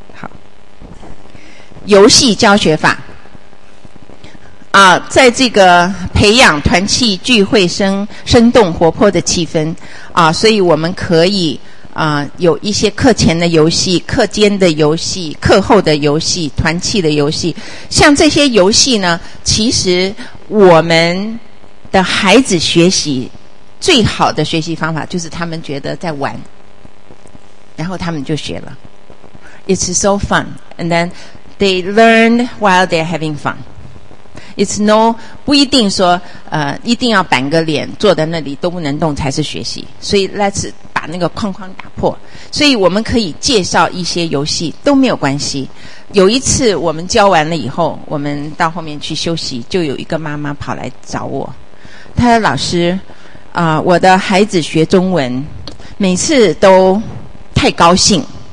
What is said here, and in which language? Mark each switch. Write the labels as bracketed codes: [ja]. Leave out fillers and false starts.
[zh] 好，游戏教学法啊，在这个培养团契聚会生动活泼的气氛啊，所以我们可以啊，有一些课前的游戏、课间的游戏、课后的游戏、团契的游戏，像这些游戏呢，其实我们的孩子学习最好的学习方法就是他们觉得在玩，然后他们就学了。 [en] It's so fun, and then they learn while they're having fun. [zh] 不一定说一定要板个脸坐在那里都不能动才是学习，所以 let's 把那个框框打破。所以我们可以介绍一些游戏都没有关系。有一次我们教完了以后，我们到后面去休息，就有一个妈妈跑来找我，她说老师我的孩子学中文每次都太高兴。